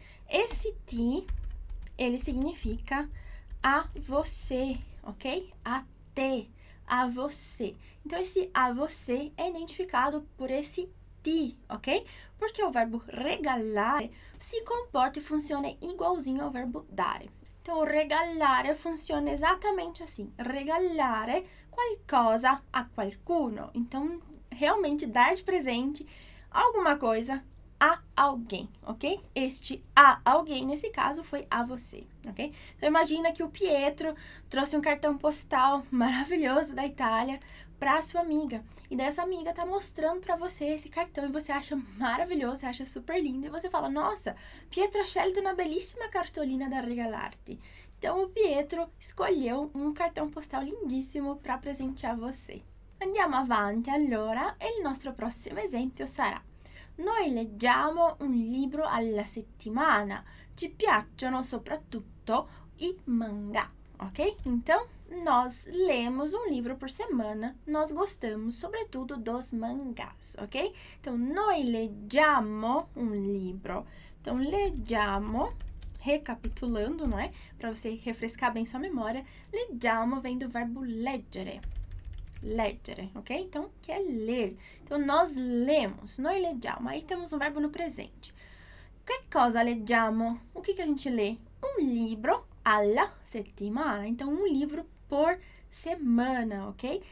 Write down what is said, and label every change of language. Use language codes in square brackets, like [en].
[pt] Esse ti, ele significa a você, ok? A te, a você. Então, esse a você é identificado por esse ti, ok? Porque o verbo regalare se comporta e funciona igualzinho ao verbo dare. Então, regalare funciona exatamente assim. [it] Regalare qualcosa a qualcuno. [pt] Então, realmente dar de presente alguma coisa a alguém, ok? Este a alguém, nesse caso, foi a você, ok? Então, imagina que o Pietro trouxe um cartão postal maravilhoso da Itália para sua amiga. E dessa amiga tá mostrando para você esse cartão e você acha maravilhoso, você acha super lindo e você fala: "Nossa, [it] Pietro ha scelto una bellissima cartolina da regalarti". [pt] Então o Pietro escolheu um cartão postal lindíssimo para presentear você. [it] Andiamo avanti allora e il nostro prossimo esempio sarà: Noi leggiamo un libro alla settimana. Ci piacciono soprattutto i manga, ok? [pt] Então nós lemos um livro por semana, nós gostamos sobretudo dos mangás, ok? [it] Então, noi leggiamo un libro. Então, leggiamo [pt] recapitulando, não é? Para você refrescar bem sua memória, leggiamo vem do verbo leggere. Leggere, ok? Então, que é ler. Então, nós lemos, [it] noi leggiamo. [pt] Aí temos um verbo no presente. [it] Que cosa leggiamo? [pt] O que, que a gente lê? Um livro [it] alla settimana. [pt] Então, um livro por semana, ok?